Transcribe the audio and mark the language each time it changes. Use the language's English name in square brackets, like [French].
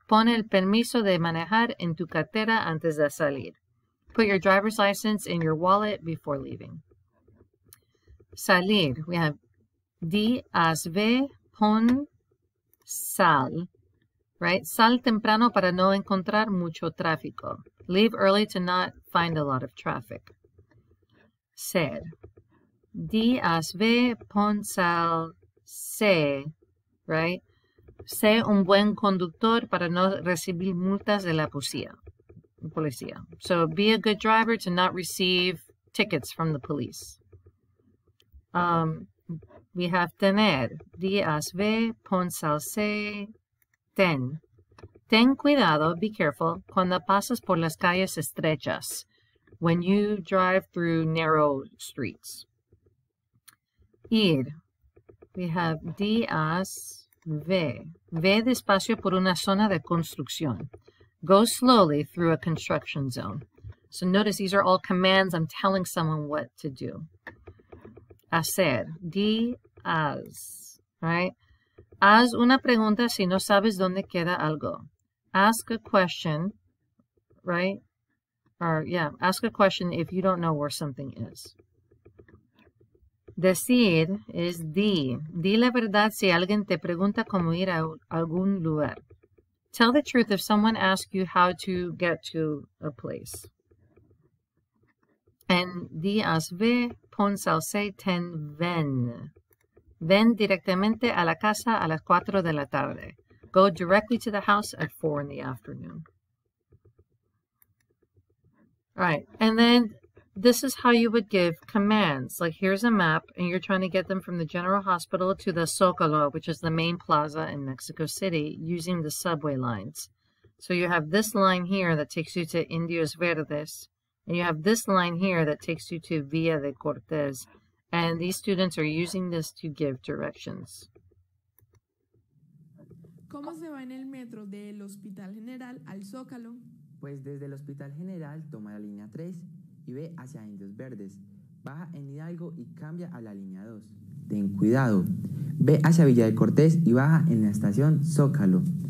[Spanish] Pon el permiso de manejar en tu cartera antes de salir. [English] Put your driver's license in your wallet before leaving. Salir, we have D as V, [Spanish] pon sal, [English] right? [Spanish] Sal temprano para no encontrar mucho tráfico. [English] Leave early to not find a lot of traffic. Ser. D as ve pon sal se, right? [Spanish] Sé un buen conductor para no recibir multas de la policía. [English] So be a good driver to not receive tickets from the police. We have tener. D as ve pon sal se ten. [Spanish] Ten cuidado, [English] be careful, [Spanish] cuando pasas por las calles estrechas, [English] when you drive through narrow streets. Ir, we have D as V. [Spanish] Ve despacio por una zona de construcción. [English] Go slowly through a construction zone. So notice these are all commands. I'm telling someone what to do. Hacer, D as, right? [Spanish] Haz una pregunta si no sabes dónde queda algo. [English] Ask a question, right? Or yeah, ask a question if you don't know where something is. Decir is di. [Spanish] Di la verdad si alguien te pregunta cómo ir a algún lugar. [English] Tell the truth if someone asks you how to get to a place. And di as ve, pon sal se ten ven. [Spanish] Ven directamente a la casa a las 4 de la tarde. [English] Go directly to the house at 4 in the afternoon. All right, and then this is how you would give commands. Like, here's a map, and you're trying to get them from the General Hospital to the Zócalo, which is the main plaza in Mexico City, using the subway lines. So you have this line here that takes you to Indios Verdes, and you have this line here that takes you to Villa de Cortés. And these students are using this to give directions. [Spanish] ¿Cómo se va en el metro del Hospital General al Zócalo? Pues desde el Hospital General toma la línea 3. Y ve hacia Indios Verdes. Baja en Hidalgo y cambia a la línea 2. Ten cuidado. Ve hacia Villa de Cortés y baja en la estación Zócalo.